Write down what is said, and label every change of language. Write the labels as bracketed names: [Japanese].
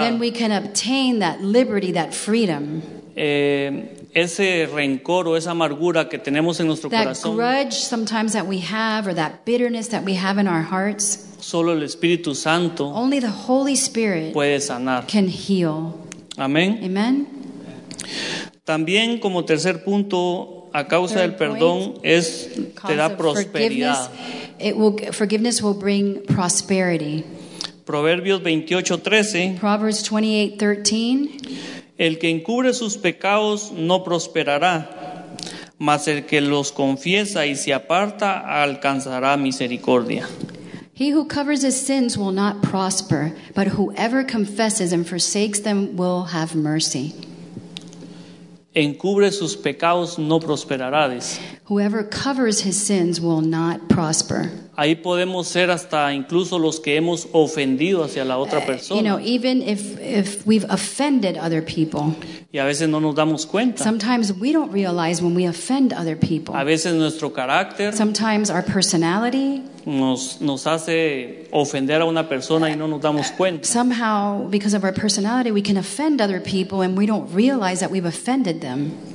[English] Then we can obtain that liberty, that freedom. [Spanish] Ese rencor o esa amargura que tenemos en nuestro [English] that [Spanish] corazón, [English] grudge sometimes that we have, or that bitterness that we have in our hearts, [Spanish] solo el Espíritu Santo, [English] only the Holy Spirit, [Spanish] puede sanar. [English] Can heal. [Spanish] Amén. [English] Amen. [Spanish] También como tercer punto, a causa [English] third [Spanish] del perdón [English] point, [Spanish] es te da prosperidad. [English] Forgiveness will bring prosperity. [Spanish] Proverbios 28:13. [English] Proverbs 28:13. [Spanish] El que encubre sus pecados no prosperará, mas el que los confiesa y se aparta alcanzará misericordia. [English] He who covers his sins will not prosper, but whoever confesses and forsakes them will have mercy. [Spanish] Encubre sus pecados no prosperará, dice. [English] Whoever covers his sins will not prosper. [Spanish] Ahí podemos ser hasta incluso los que hemos ofendido hacia la otra persona. [English] You know, even if we've offended other people. [Spanish] Y a veces no nos damos cuenta. [English] Sometimes we don't realize when we offend other people. [Spanish] A veces nuestro carácter. [English] Sometimes our personality. [Spanish] Nos hace ofender a una persona y no nos damos cuenta. [English] Somehow, because of our personality, we can offend other people and we don't realize that we've offended them.